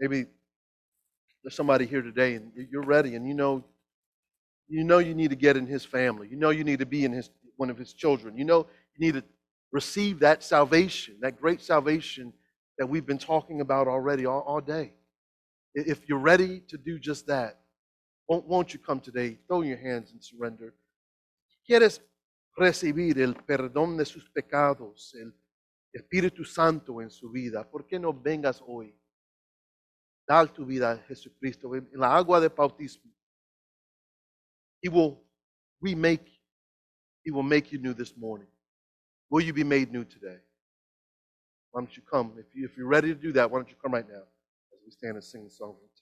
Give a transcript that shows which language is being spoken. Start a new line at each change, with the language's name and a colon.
English: Maybe there's somebody here today and you're ready and you know you need to get in his family. You know you need to be in one of his children. You know you need to receive that salvation, that great salvation that we've been talking about already all day. If you're ready to do just that, won't you come today, throw your hands and surrender.
Spanish: ¿Quieres recibir el perdón de sus pecados, el Espíritu Santo en su vida? ¿Por qué no vengas hoy? Dar tu vida a Jesucristo en la agua de bautismo.
English: He will remake you. He will make you new this morning. Will you be made new today? Why don't you come? If you're ready to do that, why don't you come right now as we stand and sing the song.